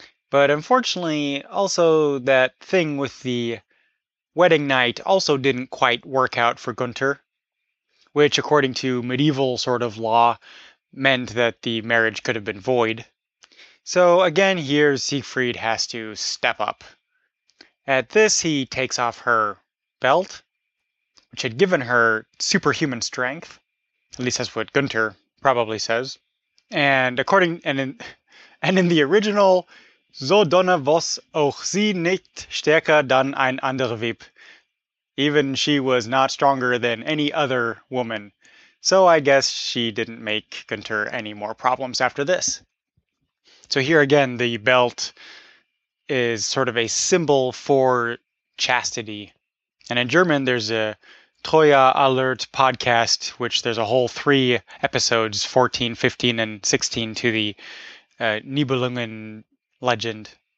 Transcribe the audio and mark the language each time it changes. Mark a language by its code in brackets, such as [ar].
[en] But unfortunately, also that thing with the wedding night also didn't quite work out for Gunther, which according to medieval sort of law meant that the marriage could have been void. So again, here Siegfried has to step up. At this, he takes off her belt, which had given her superhuman strength. At least that's what Gunther probably says. And in the original, [gmh] so donne was auch sie nicht stärker dann ein ander Weib. [en] Even she was not stronger than any other woman. So I guess she didn't make Gunther any more problems after this. So here again, the belt is sort of a symbol for chastity. And in German, there's a Treue Alert podcast, which there's a whole 3 episodes, 14, 15, and 16, to the Nibelungen legend.